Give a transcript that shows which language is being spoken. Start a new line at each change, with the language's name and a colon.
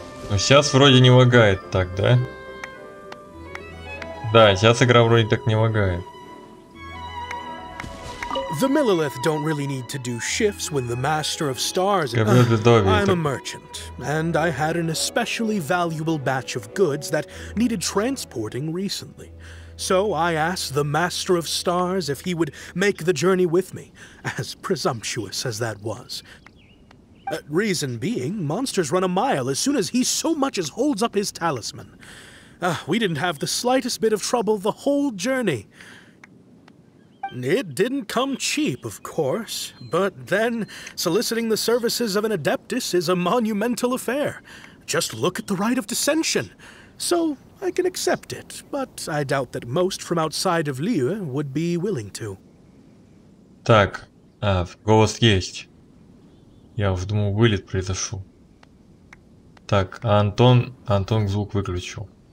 Russian: Но сейчас вроде не лагает так, да? Да, сейчас игра вроде так не лагает.
English: The Millilith don't really need to do shifts when the Master of Stars... I'm a merchant, and I had an especially valuable batch of goods that needed transporting recently. So I asked the Master of Stars if he would make the journey with me, as presumptuous as that was. Reason being, monsters run a mile as soon as he so much as holds up his talisman. We didn't have the slightest bit of trouble the whole journey. It didn't come cheap, of course, but then soliciting the services of an Adeptus is a monumental affair. Just look at the Rite of Dissension. So I can accept it, but I doubt that most from outside of Liyue would be willing to.
Russian: Так, голос есть. Я уже думал, вылет произошел. Так, Антон звук выключил.